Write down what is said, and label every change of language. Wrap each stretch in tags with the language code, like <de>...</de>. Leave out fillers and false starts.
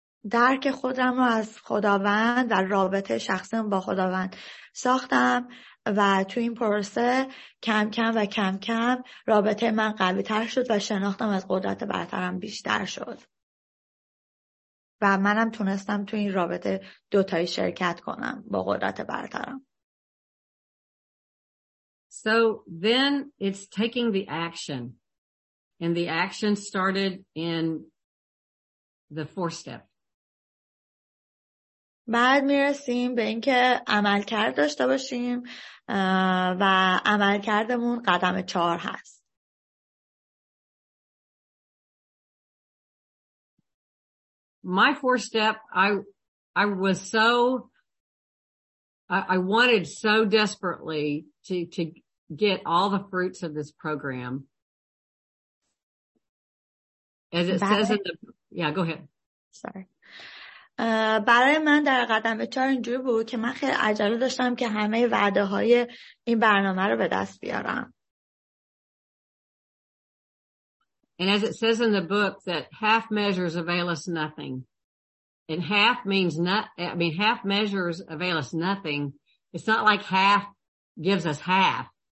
<fa>درک خودم رو از خداوند و رابطه شخصیم با خداوند ساختم، و تو این پروسه کم کم و کم کم رابطه من قوی تر شد و شناختم از قدرت برترم بیشتر شد، و منم تونستم تو این رابطه دوتایی شرکت کنم با قدرت برترم.</fa> <en>So then it's taking the action, and the action started in the four step.</en> <fa>بعد میرسیم به اینکه عمل کرد داشته باشیم و عمل کردمون قدم چهار هست.</fa> <en>My fourth step, I was so, I wanted so desperately to get all the fruits of this program. As it says in the, yeah, go ahead. Sorry.</en> <fa>برای من در قدم چهار اینجور بود که من خیلی عجله داشتم که همه وعده های این برنامه رو به دست بیارم.</fa> <en>And as it says in the book that half measures avail us nothing. And half means not, I mean half measures avail us nothing. It's not like half gives us half.</en>